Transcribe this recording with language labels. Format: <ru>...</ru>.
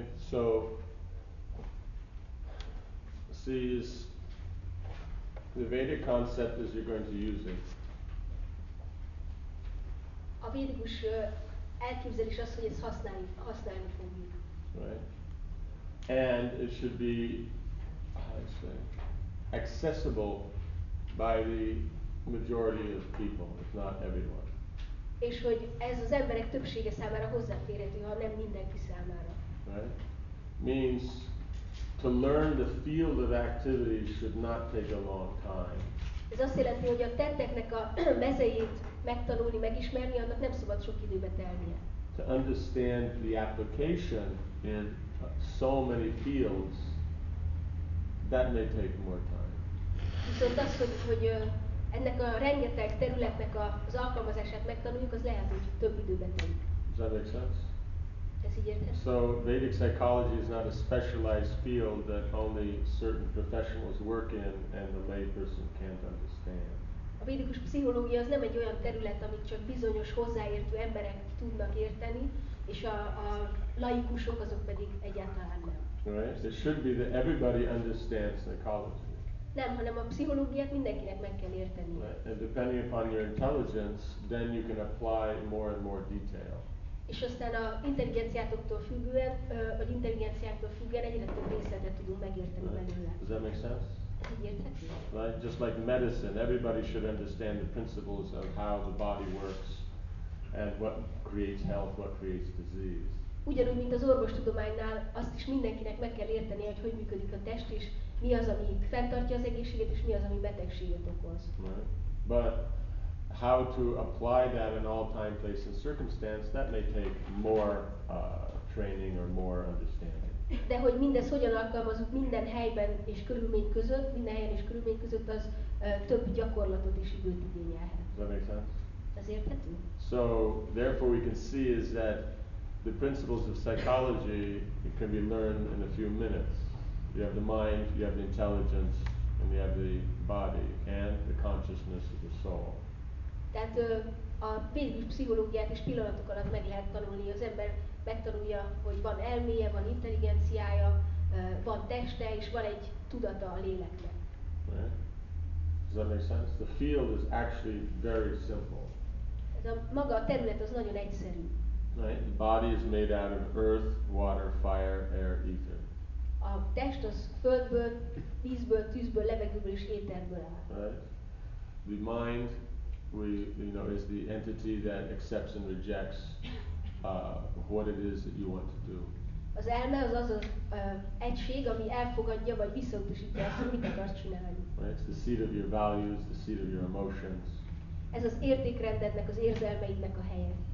<en>So see, is the Vedic concept as you're going to use it.</en> <hu>A védikus elképzelés az, hogy ezt használni fogjuk.</hu> <en>Right. And it should be, how do I say, accessible by the majority of people, if not everyone.</en> <hu>És hogy ez az emberek többsége számára hozzáférhető, ha nem mindenki számára.</hu> <en>Right. Means to learn the field of activity should not take a long time.</en> <hu>Ez azt jelenti, hogy a tetteknek a mezeit megtanulni, megismerni, annak nem szabad sok időbe telnie.</hu> <en>To understand the application in so many fields, that may take more time.</en> <hu>Viszont az, hogy ennek a rengeteg területnek az alkalmazását megtanuljuk, az lehet, hogy több időbe telik.</hu> <en>Does that make sense? So Vedic psychology is not a specialized field that only certain professionals work in and the lay person can't understand.</en> <hu>A védikus pszichológia az nem egy olyan terület, amit csak bizonyos hozzáértő emberek tudnak érteni, és a laikusok azok pedig egyáltalán nem.</hu> <en>Right? It should be that everybody understands psychology.</en> <hu>Nem, hanem a pszichológiát mindenkinek meg kell érteni.</hu> <en>Right. And depending upon your intelligence, then you can apply more and more detail.</en> <hu>És aztán a intelligenciátoktól függően, vagy intelligenciáktól függően egyre több részletet tudunk megérteni belőle.</hu> <en>Does that make sense?</en> <hu>Érthető.</hu> <en>Right? Just like medicine, everybody should understand the principles of how the body works and what creates health, what creates disease.</en> <hu>Ugyanúgy, mint az orvostudománynál, azt is mindenkinek meg kell érteni, hogy hogy működik a test, és mi az, ami fenntartja az egészséget, és mi az, ami betegséget okoz.</hu> <en>Right. But how to apply that in all time, place, and circumstance, that may take more training or more understanding.</en> <hu>De hogy mindez hogyan alkalmazunk minden helyben és körülmény között, minden helyen és körülmény között, az több gyakorlatot és időt igényelhet.</hu> <en>Does that make sense?</en> <hu>Ez érthető?</hu> <en>So, therefore we can see is that the principles of psychology can be learned in a few minutes. You have the mind, you have the intelligence, and you have the body, and the consciousness of the soul.</en> <hu>Tehát a védikus pszichológiát is pillanatok alatt meg lehet tanulni. Az ember megtanulja, hogy van elméje, van intelligenciája, van teste, és van egy tudata a léleknek.</hu> <en>Right. Does that make sense? The field is actually very simple.</en> <hu>Ez a maga a terület az nagyon egyszerű.</hu> <en>Right. The body is made out of earth, water, fire, air, ether.</en> <hu>A test az földből, vízből, tűzből, levegőből és éterből áll.</hu> <en>Right. the mind, we, you know, is the entity that accepts and rejects what it is that you want to do.</en> <hu>Az elme az az az egység, ami elfogadja vagy visszautasítja azt, amit akarsz csinálni.</hu> <en>Right, it's the seat of your values, the seat of your emotions.</en> <hu>Ez az értékrendednek, az érzelmeidnek a helye.</hu>